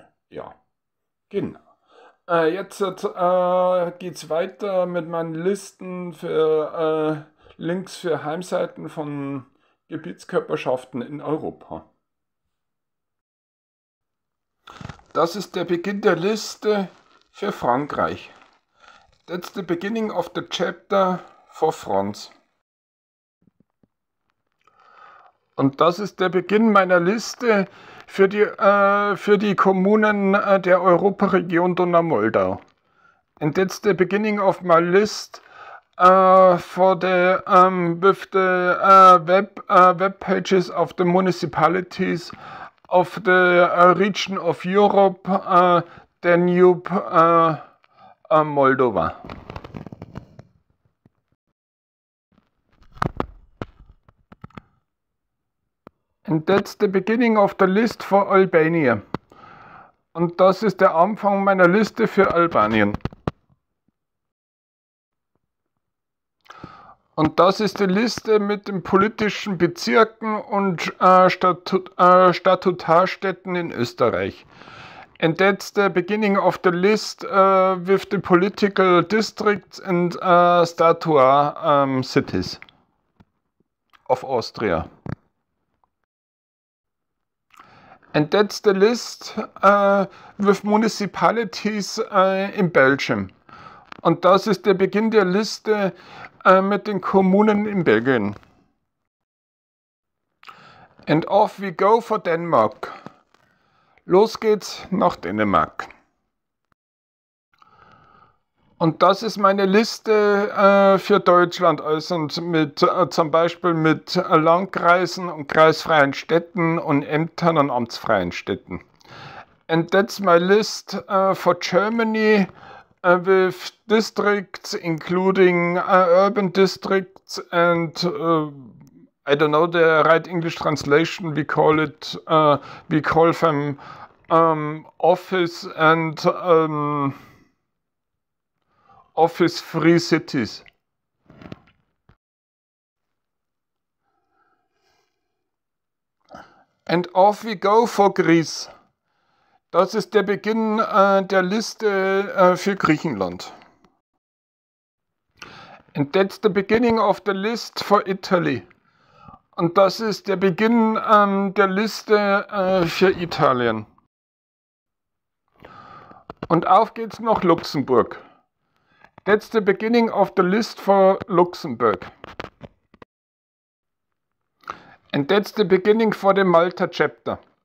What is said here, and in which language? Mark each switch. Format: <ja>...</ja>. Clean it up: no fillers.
<de>Ja, genau. Jetzt geht's weiter mit meinen Listen für Links für Heimseiten von Gebietskörperschaften in Europa. Das ist der Beginn der Liste für Frankreich.</de> <en>That's the beginning of the chapter for France.</en> <de>Und das ist der Beginn meiner Liste für die Kommunen der Europaregion Donau-Moldau.</de> <en>And that's the beginning of my list for the with the web pages of the municipalities of the region of Europe, Danube, Moldova. And that's the beginning of the list for Albania.</en> <de>Und das ist der Anfang meiner Liste für Albanien. Und das ist die Liste mit den politischen Bezirken und Statutarstädten in Österreich.</de> <en>And that's the beginning of the list with the political districts and statutar cities of Austria. And that's the list with municipalities in Belgium.</en> <de>Und das ist der Beginn der Liste mit den Kommunen in Belgien.</de> <en>And off we go for Denmark.</en> <de>Los geht's nach Dänemark. Und das ist meine Liste für Deutschland, also mit, zum Beispiel mit Landkreisen und kreisfreien Städten und Ämtern und amtsfreien Städten.</de> <en>And that's my list for Germany. With districts, including urban districts and, I don't know the right English translation, we call it, we call them office and office-free cities. And off we go for Greece.</en> <de>Das ist der Beginn der Liste für Griechenland.</de> <en>And that's the beginning of the list for Italy.</en> <de>Und das ist der Beginn der Liste für Italien. Und auf geht's nach Luxemburg.</de> <en>That's the beginning of the list for Luxembourg. And that's the beginning for the Malta chapter.</en>